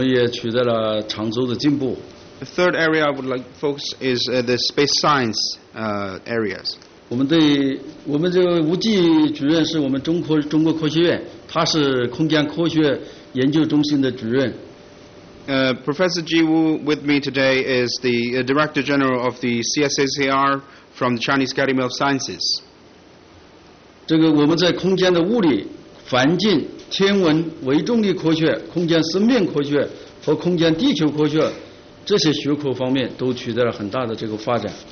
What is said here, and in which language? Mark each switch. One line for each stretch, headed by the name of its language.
Chinese: 这个在另外一个领域就是空间科学领域，我们也取得了长足的进步。
English: The third area I would like to focus is the space science areas.
Chinese: 我们这个吴继主任是我们中国科学院，他是空间科学研究中心的主任。
English: Professor Ji Wu with me today is the Director General of the CSSAR from the Chinese Academy of Sciences.
Chinese: 这个我们在空间的物理、环境、天文、微重力科学、空间生命科学和空间地球科学。这些学科方面都取得了很大的这个发展。